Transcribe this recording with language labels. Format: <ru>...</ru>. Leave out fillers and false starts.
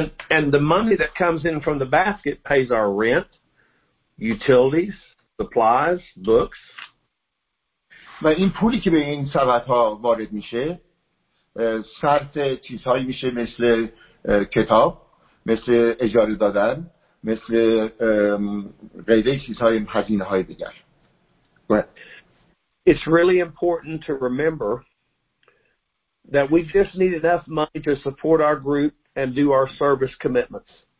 <en>And the money that comes in from the basket pays our rent, utilities, supplies, books.</en> <fa>و این پولی که به این سبدها وارد میشه صرف چیزهایی میشه مثل کتاب، مثل اجاره دادن، مثل غیره چیزهای هزینه های دیگر.</fa> <en>It's really important to remember that we just need enough money to support our group and do our service commitments.</en>